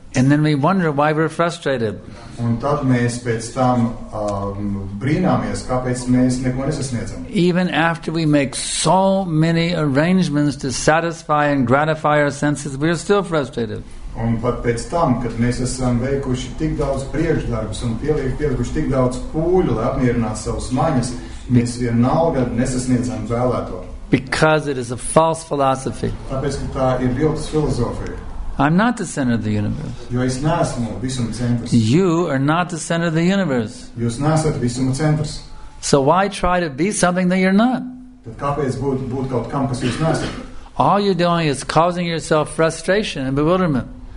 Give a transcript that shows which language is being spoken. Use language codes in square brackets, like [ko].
[en] And then we wonder why we're frustrated. [lv] Un tad mēs pēc tam brīnāmies, kāpēc mēs neko nesasniedzam. [en] Even after we make so many arrangements to satisfy and gratify our senses, we are still frustrated. [lv] Un pat pēc tam, kad mēs esam veikuši tik daudz priekšdarbus un pielikuši tik daudz pūļu, lai apmierinātu savus maņas, mēs vienalga nesasniedzam vēlēto. [en] Because it is a false philosophy. [lv] Tāpēc, ka tā ir viltus filozofija. [en] I'm not the center of the universe. [lv] Jo es neesmu visuma centrs. [en] You are not the center of the universe. [lv] Jūs neesat visuma centrs. [en] So why try to be something that you're not? [lv] Tad kāpēc būt kaut kam, kas jūs neesat? [en] All you're doing is causing yourself frustration and bewilderment.